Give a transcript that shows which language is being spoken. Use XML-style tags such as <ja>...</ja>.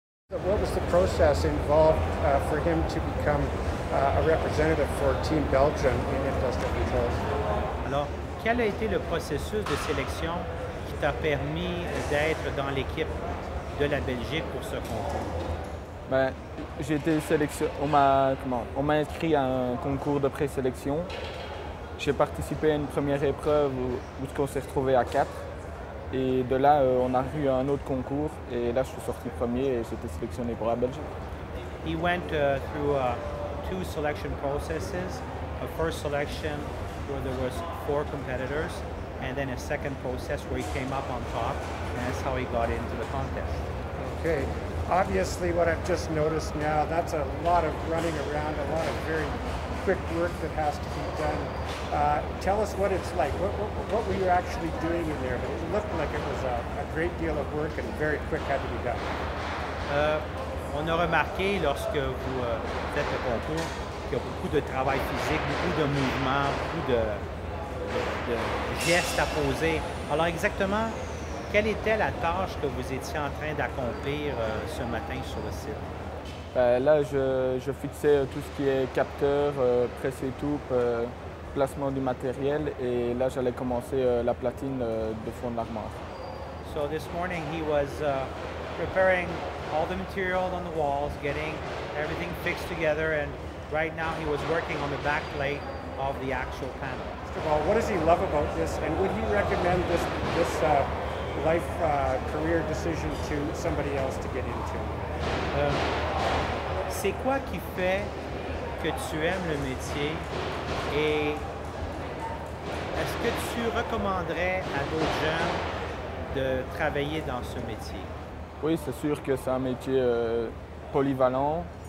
<en>What was the process involved for him to become a representative for Team Belgium in Industrial Controls?</en> <fr>Alors, quel a été le processus de sélection qui t'a permis d'être dans l'équipe de la Belgique pour ce concours? Ben, j'ai été sélectionné. On m'a inscrit à un concours de présélection. J'ai participé à une première épreuve où on s'est retrouvé à quatre. Et de là, on a eu un autre concours et là, je suis sorti premier et j'étais sélectionné pour la Belgique.</fr> <en>He went through two selection processes. A first selection where there was four competitors and then a second process where he came up on top, and that's how he got into the contest. Okay. Obviously, what I've just noticed now, that's a lot of running around, a lot of very quick work that has to be done. Tell us what it's like. What were you actually doing in there? But it looked like it was a great deal of work and very quick had to be done.</en> <fr>On a remarqué lorsque vous faites le concours qu'il y a beaucoup de travail physique, beaucoup de mouvements, beaucoup de gestes à poser. Alors exactement, quelle était la tâche que vous étiez en train d'accomplir ce matin sur le site? Là, je fixais tout ce qui est capteur, presse et tout, placement du matériel, et là, j'allais commencer la platine de fond de l'armoire.</fr> <en>So this morning, he was preparing all the material on the walls, getting everything fixed together, and right now, he was working on the back plate of the actual panel. First of all, what does he love about this, and would he recommend this life career decision to somebody else to get into?</en> <fr>C'est quoi qui fait que tu aimes le métier et est-ce que tu recommanderais à d'autres jeunes de travailler dans ce métier? Oui, c'est sûr que c'est un métier polyvalent.</fr>